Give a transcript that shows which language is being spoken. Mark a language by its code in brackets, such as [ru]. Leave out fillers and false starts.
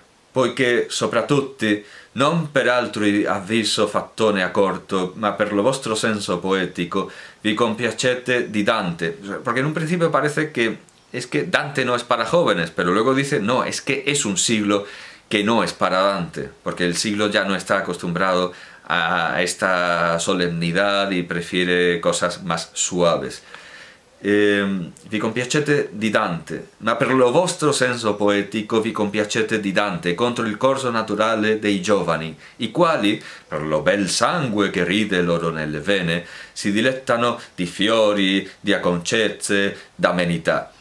[it] Poiché soprattutto non per altro avviso fattone a corto, ma per lo vostro senso poetico, vi compiacete di Dante. [es] Porque en un principio parece que es que Dante no es para jóvenes, pero luego dice, no, es que es un siglo que no es para Dante, porque el siglo ya no está acostumbrado a esta solemnidad y prefiere cosas más suaves. [it] Vi compiacete di Dante, ma per lo vostro senso poetico vi compiacete di Dante, contro il corso naturale dei giovani, i quali, per lo bel sangue che ride loro nelle vene, si dilettano di fiori, di acconcezze, d'amenità.